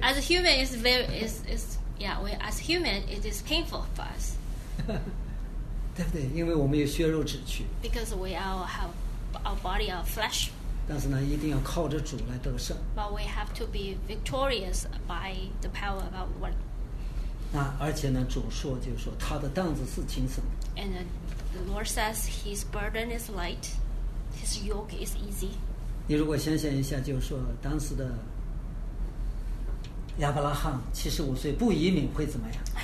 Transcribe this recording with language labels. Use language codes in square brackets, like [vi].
[en] As a human, it's very, it's yeah. We as human, it is painful for us. [zh] 对不对？因为我们有血肉之躯。 [en] Because we all have our body of flesh. [zh] 但是呢，一定要靠着主来得胜。 [en] But we have to be victorious by the power of our Lord. [zh] 那而且呢，主说就是说他的担子是轻松。 [en] And the Lord says his burden is light, his yoke is easy. [zh] 你如果想想一下，就是说当时的亚伯拉罕75岁不移民会怎么样？